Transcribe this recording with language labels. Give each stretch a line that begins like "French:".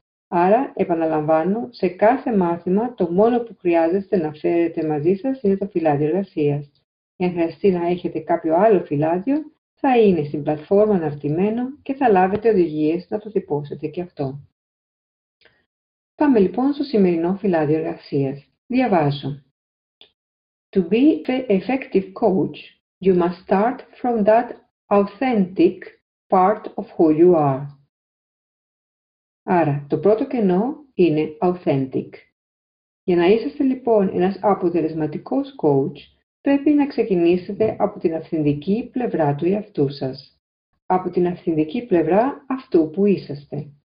Greek: Άρα, επαναλαμβάνω, σε κάθε μάθημα το μόνο που χρειάζεστε να φέρετε μαζί σας είναι το φυλάδιο εργασίας. Εάν χρειαστεί να έχετε κάποιο άλλο φυλάδιο, θα είναι στην πλατφόρμα αναρτημένο και θα λάβετε οδηγίες να το τυπώσετε και αυτό. Πάμε λοιπόν στο σημερινό φυλάδιο εργασίας. Διαβάζω.
English: To be an effective coach, you must start from that authentic part of who you are.
Greek: Άρα, το πρώτο κενό είναι authentic. Για να είσαστε λοιπόν ένας αποτελεσματικός coach, πρέπει να ξεκινήσετε από την αυθεντική πλευρά του εαυτού σας. Από την αυθεντική πλευρά αυτού που είσαστε.